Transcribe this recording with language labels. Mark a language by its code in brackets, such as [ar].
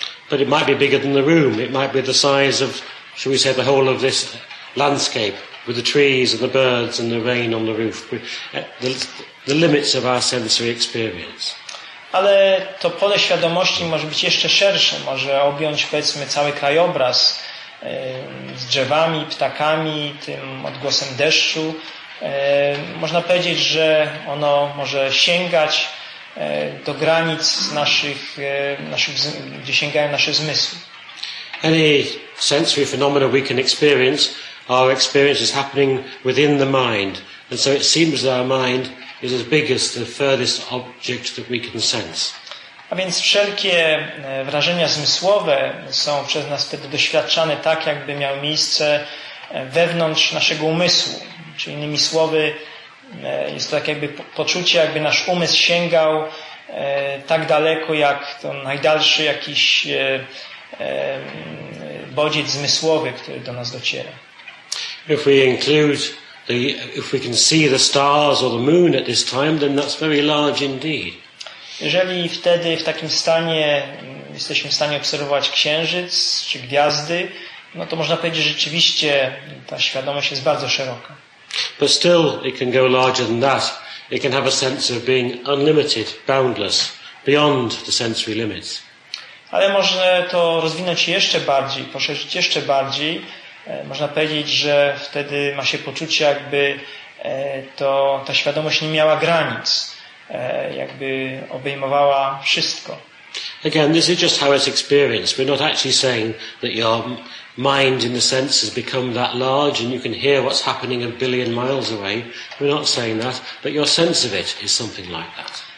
[en] But it might be bigger than the room. It might be the size of, shall we say, the whole of this landscape with the trees and the birds and the rain on the roof. The limits of our sensory experience. [pl] Ale to pole świadomości może być jeszcze szersze. Może objąć, powiedzmy, cały krajobraz z drzewami, ptakami, tym odgłosem deszczu. Można powiedzieć, że ono może sięgać do granic naszych, gdzie sięgają nasze zmysły. [en] Any sensory phenomena we can experience are experiences happening within the mind. And so it seems that our mind is as big as the furthest object that we can sense. [pl] A więc wszelkie wrażenia zmysłowe są przez nas wtedy doświadczane tak, jakby miały miejsce wewnątrz naszego umysłu. Czyli innymi słowy, jest to tak jakby poczucie, jakby nasz umysł sięgał tak daleko, jak to najdalszy jakiś bodziec zmysłowy, który do nas dociera. [en] If we include if we can see the stars or the moon at this time, then that's very large indeed. [pl] Jeżeli wtedy w takim stanie jesteśmy w stanie obserwować księżyc czy gwiazdy, no to można powiedzieć, że rzeczywiście ta świadomość jest bardzo szeroka. [en] But still it can go larger than that. It can have a sense of being unlimited, boundless, beyond the sensory limits. [pl] Ale może to rozwinąć jeszcze bardziej, poszerzyć jeszcze bardziej. Można powiedzieć, że wtedy ma się poczucie, jakby ta świadomość nie miała granic. jakby obejmowała wszystko. [en] Again, this is just how it's experienced. We're not actually saying that your mind in the sense has become that large and you can hear what's happening a billion miles away. We're not saying that, but your sense of it is something like that.